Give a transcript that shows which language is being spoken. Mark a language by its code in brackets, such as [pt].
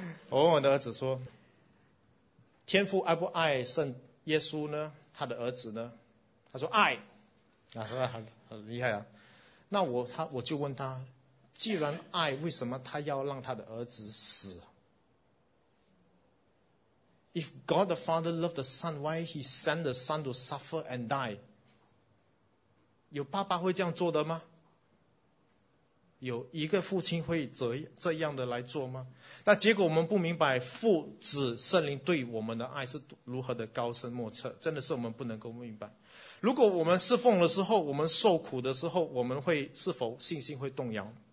[zh] 我问我的儿子说，天父爱不爱圣耶稣呢？他的儿子呢？他说爱，啊，很厉害啊。那我就问他，既然爱，为什么他要让他的儿子死？ [en] If God the Father loved the Son, why he send the Son to suffer and die? [zh] 有爸爸会这样做的吗？有一个父亲会这样的来做吗？那结果我们不明白父子圣灵对我们的爱是如何的高深莫测，真的是我们不能够明白。如果我们侍奉的时候，我们受苦的时候，我们会是否信心会动摇？